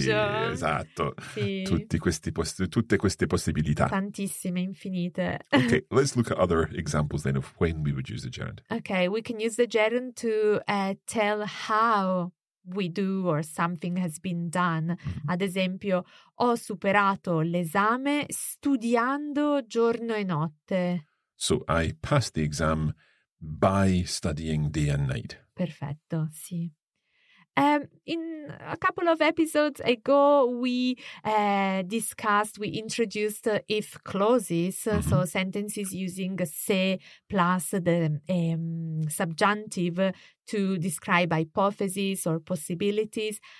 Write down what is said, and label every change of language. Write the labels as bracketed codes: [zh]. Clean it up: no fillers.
[it] Sì, esatto. Sì. Tutte queste possibilità. Tantissime, infinite. [en] Okay, let's look at other examples then of when we would use the gerund. Okay, we can use the gerund to tell how we do or something has been done. Mm-hmm. [it] Ad esempio, ho superato l'esame studiando giorno e notte. [en] So I passed the exam by studying day and night. [it] Perfetto, sì. [en] In a couple of episodes ago, we introduced if clauses, mm-hmm. so sentences using se plus the subjunctive to describe hypotheses or possibilities.